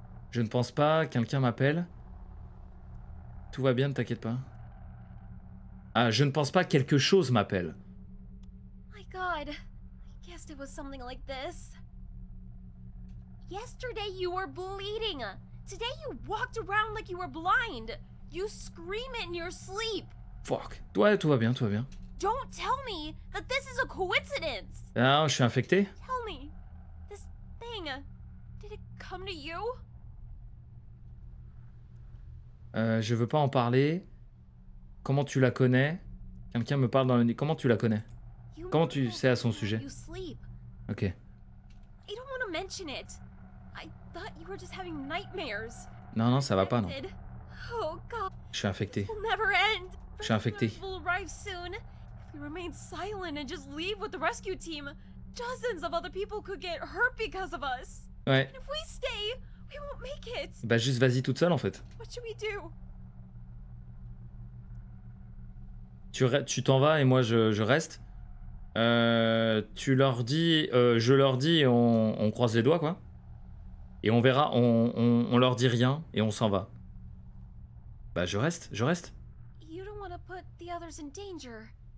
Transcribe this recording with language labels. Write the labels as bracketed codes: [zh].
[fr] Je ne pense pas, quelqu'un m'appelle. Tout va bien, ne t'inquiète pas. Ah, je ne pense pas, quelque chose m'appelle. [en] My god, I guessed it was something like this. Yesterday you were bleeding. Today you walked around like you were blind. You scream it in your sleep. Fuck. [fr] Ouais, tout va bien, tout va bien. [en] Don't tell me that this is a coincidence. [fr] Ah, je suis infecté. [en] Tell me, this thing, did it come to you? [fr] Je veux pas en parler. Comment tu la connais? Quelqu'un me parle dans le nid. Comment tu la connais? Comment tu sais à son sujet? Ok. [en] I don't want to mention it. I thought you were just having nightmares. [fr] Non, ça va pas, non. [en] Oh God. [fr] Je suis infecté. [en] It will never end. [fr] Je suis infecté. [en] We'll arrive soon. Remain silent and just leave with the rescue team. Dozens of other people could get hurt because of us. [fr] Ouais. [en] And if we stay, we won't make it. [fr] Bah juste vas-y toute seule en fait. [en] What should we do? [fr] Tu t'en vas et moi je reste. Tu leur dis, je leur dis, on croise les doigts quoi. Et on verra, on leur dit rien et on s'en va. Bah je reste. [en] You don't want to put the others in danger.